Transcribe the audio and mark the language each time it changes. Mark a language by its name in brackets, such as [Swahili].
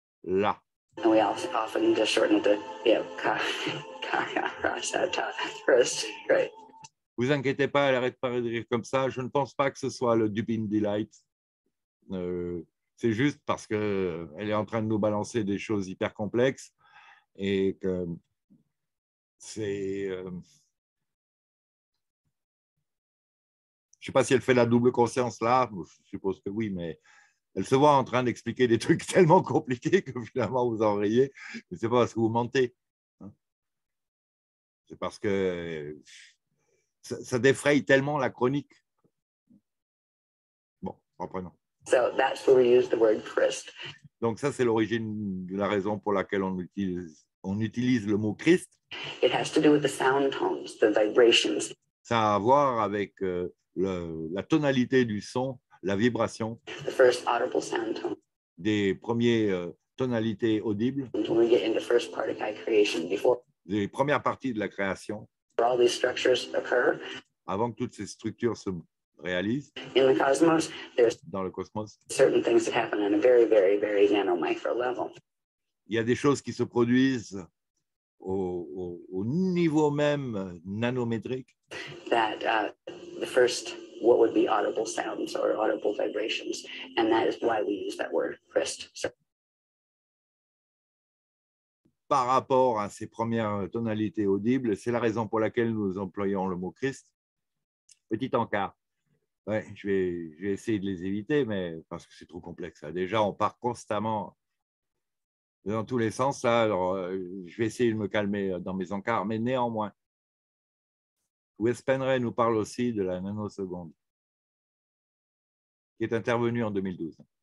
[English] And we also often just shorten the Karayasatahala. Right. [French] Vous inquiétez pas, elle arrête pas de rire comme ça. Je ne pense pas que ce soit le Dubin Delight. C'est juste parce qu'elle est en train de nous balancer des choses hyper complexes et que c'est je ne sais pas si elle fait la double conscience là, je suppose que oui, mais elle se voit en train d'expliquer des trucs tellement compliqués que finalement vous en riez, mais ce n'est pas parce que vous mentez, hein. C'est parce que ça défraye tellement la chronique. Bon, reprenons. [English] So that's where we use the word Christ. [French] Donc ça, c'est l'origine de la raison pour laquelle on utilise le mot Christ. [English] It has to do with the sound tones, the vibrations. [French] Ça a à voir avec la tonalité du son, la vibration. [English] The first audible sound tone. [French] Des premières tonalités audibles. [English] When we get into first part of creation, before. [French] Des premières parties de la création. [English] Where all these structures occur. [French] Avant que toutes ces structures se réalisent. [English] In the cosmos, there's [French] dans le cosmos. [English] Certain things that happen on a very, very, very nano micro level. [French] Il y a des choses qui se produisent au niveau même nanométrique. [English] That the first what would be audible sounds or audible vibrations, and that is why we use that word Christ. So, [French] par rapport à ces premières tonalités audibles, c'est la raison pour laquelle nous employons le mot Christ. Petit encart. Ouais, je vais essayer de les éviter, mais parce que c'est trop complexe. Déjà, on part constamment dans tous les sens, là, alors je vais essayer de me calmer dans mes encarts, mais néanmoins, Wes Penray nous parle aussi de la nanoseconde, qui est intervenue en 2012.